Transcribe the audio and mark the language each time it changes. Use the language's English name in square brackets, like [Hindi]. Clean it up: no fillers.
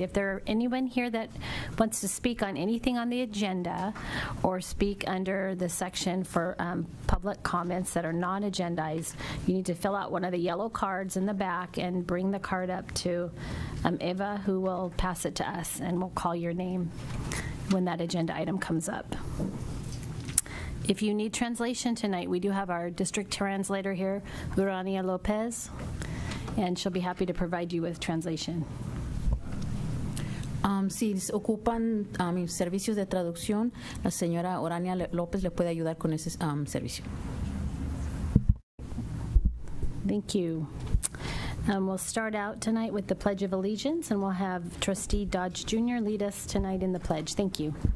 [English] If there are anyone here that wants to speak on anything on the agenda or speak under the section for public comments that are non-agendized, you need to fill out one of the yellow cards in the back and bring the card up to Eva, who will pass it to us, and we'll call your name when that agenda item comes up. If you need translation tonight, we do have our district translator here, Urania Lopez. And she'll be happy to provide you with translation. [Spanish] Si ocupan mis servicios de traducción, la señora Urania López le puede ayudar con ese servicio. [English] Thank you. We'll start out tonight with the Pledge of Allegiance, and we'll have Trustee Dodge Jr. lead us tonight in the pledge. Thank you.